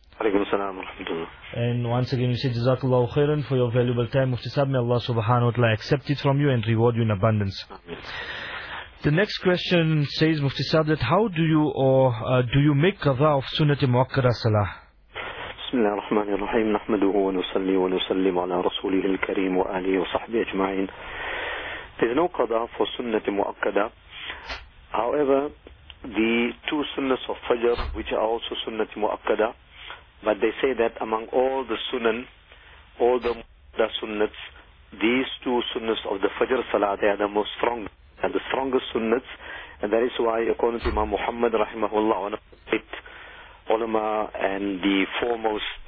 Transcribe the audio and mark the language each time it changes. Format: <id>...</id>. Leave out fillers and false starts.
<ar>Alaykum assalam wa rahmatullah.</ar> <en>And once again, we say jazakallahu khairan for your valuable time, Mufti Sahab. May Allah subhanahu wa ta'ala accept it from you and reward you in abundance. The next question says, Mufti Sahab, that how do you do you make qadha of sunnati muakkada salah?</en> <ar>بسم الله الرحمن الرحيم نحمده ونصلي ونسلم على رسوله الكريم وآله وصحبه أجمعين.</ar> <en>There's no qada for sunnah muakkada. However, the two sunnahs of fajr, which are also sunnah muakkada, but they say that among all the sunan, all the muakkada sunnahs, these two sunnahs of the fajr salah, they are the most strong and the strongest sunnahs, and that is why according to Imam Muhammad rahimahullah, ulama and the foremost</en>